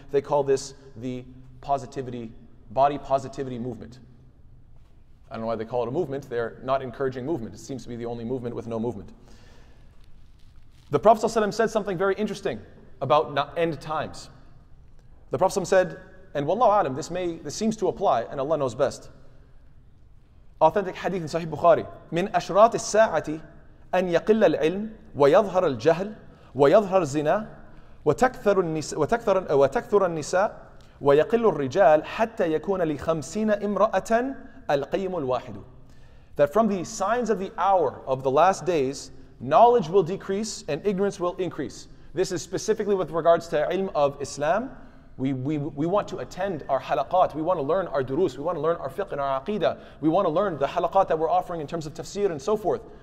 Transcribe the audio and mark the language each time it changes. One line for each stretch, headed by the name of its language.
English: They call this the body positivity movement. I don't know why they call it a movement. They're not encouraging movement. It seems to be the only movement with no movement. The Prophet ﷺ said something very interesting about end times. The Prophet ﷺ said, and wallahu a'lam, this seems to apply, and Allah knows best. Authentic hadith in Sahih Bukhari.
Arabic: من أشراط الساعة أن يقل العلم ويظهر الجهل ويظهر الزنا وتكثر النساء ويقل الرجال حتى يكون لخمسين امرأة القيم الواحد.
English: That from the signs of the hour of the last days, knowledge will decrease and ignorance will increase. This is specifically with regards to ilm of Islam. We want to attend our halaqat. We want to learn our durus. We want to learn our fiqh and our aqidah. We want to learn the halaqat that we're offering in terms of tafsir and so forth.